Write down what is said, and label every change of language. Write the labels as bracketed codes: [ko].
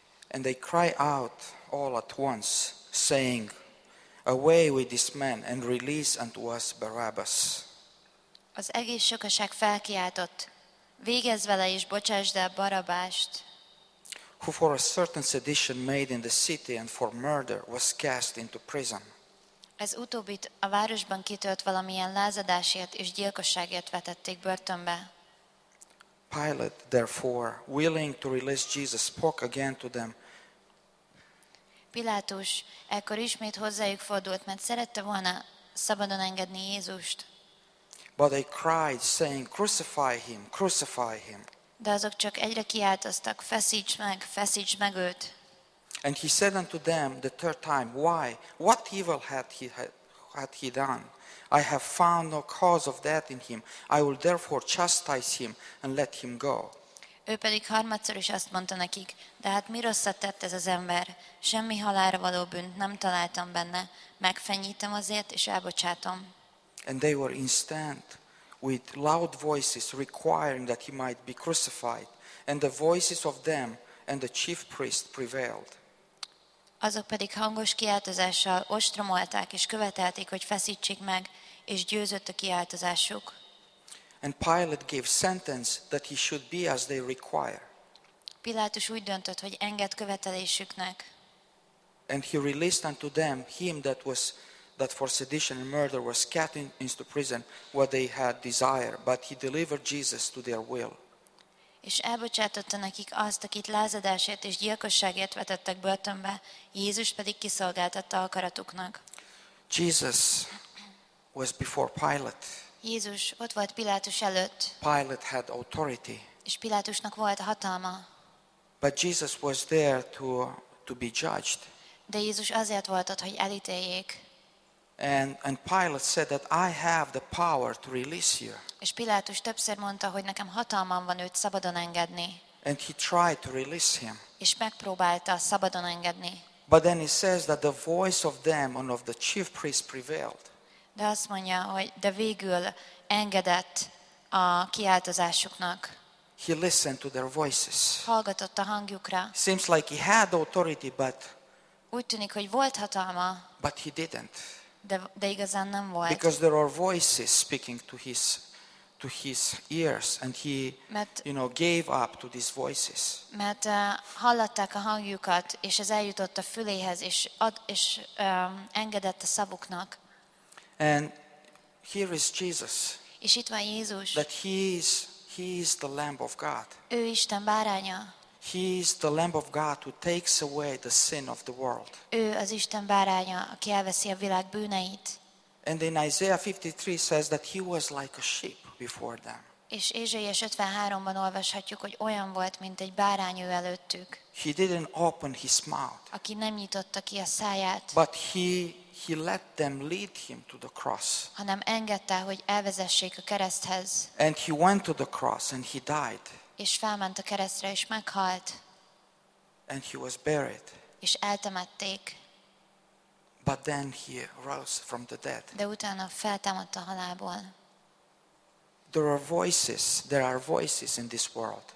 [en] And they cry out all at once, saying, Away with this man, and release unto us Barabbas. [hu] Az egész sokaság felkiáltott, végezz vele és bocsásd el Barabást. [en] Who for a certain sedition made in the city and for murder was cast into prison. [hu] Ez utóbbit a városban kitölt valamilyen lázadásért és gyilkosságért vetették börtönbe. [en] Pilate, therefore, willing to release Jesus, spoke again to them. [hu] Pilátus ekkor ismét hozzájuk fordult, mert szerette volna szabadon engedni Jézust. [en] But they cried, saying, Crucify him, crucify him. [hu] De azok csak egyre kiáltoztak, feszíts meg őt. [en] And he said unto them the third time, Why? What evil had he done? I have found no cause of death in him. I will therefore chastise him and let him go. [hu] Ő pedig harmadszor is azt mondta nekik, de hát mi rosszat tett ez az ember? Semmi halálra való bűnt nem találtam benne. Megfenyítem azért, és elbocsátom. [en] And they were instant with loud voices requiring that he might be crucified. And the voices of them and the chief priest prevailed. [hu] Azok pedig hangos kiáltozással ostromolták és követelték, hogy feszítsék meg, és győzött a kiáltozásuk. [en] And Pilate gave sentence that he should be as they require. [hu] Pilátus úgy döntött, hogy enged követelésüknek. [en] And he released unto them him that for sedition and murder was cast into prison what they had desired, but he delivered Jesus to their will. [hu] És elbocsátotta nekik azt, akit lázadásért és gyilkosságért vetettek börtönbe, Jézus pedig kiszolgáltatta akaratuknak. [en] Jesus was before Pilate. [hu] Jézus ott volt Pilátus előtt. [en] Pilate had authority. [hu] És Pilátusnak volt hatalma. [en] But Jesus was there to be judged. [hu] De Jézus azért volt ott, hogy elítéljék. [en] And Pilate said that I have the power to release you. [hu] És Pilátus többször mondta, hogy nekem hatalmam van őt szabadon engedni. [en] And he tried to release him. [hu] És megpróbálta szabadon engedni. [en] But then he says that the voice of them and of the chief priests prevailed. [hu] De azt mondja, hogy de végül engedett a kiáltozásuknak. [en] He listened to their voices. [hu] Hallgatott a hangjukra. [en] Seems like he had authority, but [hu] úgy tűnik, hogy volt hatalma. [en] But he didn't. [hu] De igazán nem volt. [en] Because there are voices speaking to his ears, and he, [hu] mert, [en] you know, gave up to these voices. [hu] Mert hallatták a hangjukat, és ez eljutott a füléhez, engedett a szavuknak. [en] And here is Jesus. [hu] És itt van Jézus. [en] That he is the Lamb of God. [hu] Ő Isten bárányá. [en] He is the Lamb of God who takes away the sin of the world. [hu] Ő az Isten bárányá, aki elveszi a világ bűneit. [en] And in Isaiah 53 says that he was like a sheep before them. [hu] És Ézsaiás 53-ban olvashatjuk, hogy olyan volt, mint egy bárány ő előttük. [en] He didn't open his mouth. [hu] Aki nem nyitotta ki a száját. [en] But he let them lead him to the cross. [hu] Hanem engedte, hogy elvezessék a kereszthez. [en] And he went to the cross and he died. [hu] És felment a keresztre és meghalt. [en] And he was buried. [hu] És eltemették. [en] But then he rose from the dead. [hu] De utána feltámadt a halálból. [en] There are voices in this world.